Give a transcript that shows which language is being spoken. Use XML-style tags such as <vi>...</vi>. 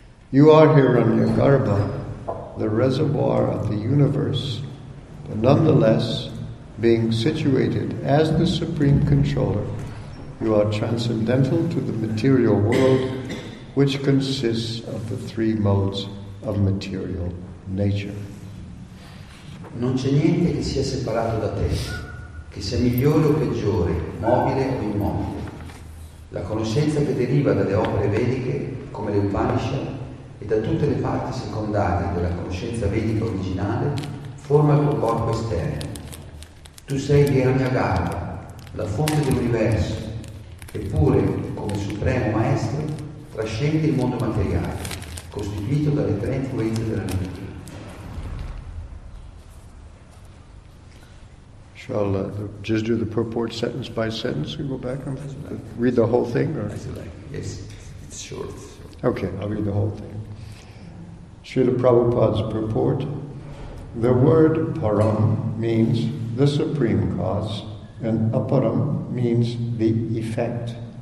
<en>You are Hiranyagarbha, the reservoir of the universe, but nonetheless being situated as the supreme controller, you are transcendental to the material world, which consists of the three modes of material nature.</en> <it>Non c'è niente che sia separato da te, che sia migliore o peggiore, mobile o immobile. La conoscenza che deriva dalle opere vediche, come le Upanishad, e da tutte le parti secondarie della conoscenza vedica originale, forma il tuo corpo esterno. Tu sei Hiranyagarbha, la fonte dell'universo, eppure, come supremo maestro, trascende il mondo materiale, costituito dalle tre influenze della natura.</it> <en>Shall I just do the purport sentence by sentence and go back and read the whole thing? Or? Yes, it's short. Okay, I'll read the whole thing. Srila Prabhupada's purport. The word param means the supreme cause, and aparam means the effect.</en>